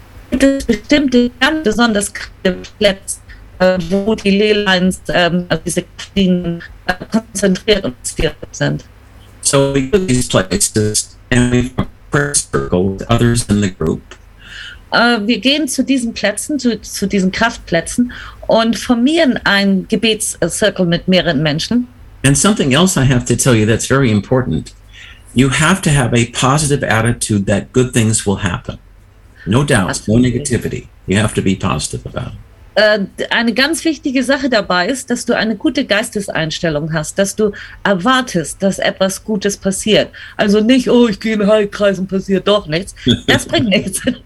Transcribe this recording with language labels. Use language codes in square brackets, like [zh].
[de] Und es bestimmte ganz besonders Plätze, wo die Ley lines, also diese Kraftlinien, konzentriert und zentriert sind. [en] So we go to these places and we have a prayer circle with others in the group. [de] Wir gehen zu diesen Plätzen, zu diesen Kraftplätzen und formieren einen Gebetscircle mit mehreren Menschen. [en] And something else I have to tell you that's very important. You have to have a positive attitude that good things will happen. No doubt, no negativity. You have to be positive about it. [de] Eine ganz wichtige Sache dabei ist, dass du eine gute Geisteseinstellung hast, dass du erwartest, dass etwas Gutes passiert. Also nicht, oh, ich gehe in den Heilkreis und passiert doch nichts. Das bringt nichts.